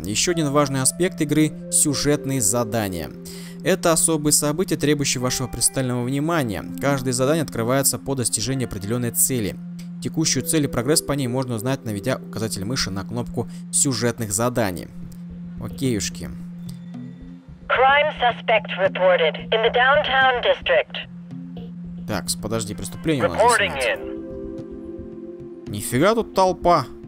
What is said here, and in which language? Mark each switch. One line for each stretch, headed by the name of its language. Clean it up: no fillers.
Russian: Еще один важный аспект игры – сюжетные задания. Это особые события, требующие вашего пристального внимания. Каждое задание открывается по достижению определенной цели. Текущую цель и прогресс по ней можно узнать, наведя указатель мыши на кнопку сюжетных заданий. Окейушки.
English: Crime suspect reported in the downtown district.
Russian: Так, подожди, преступление у нас здесь нет. Нифига тут толпа.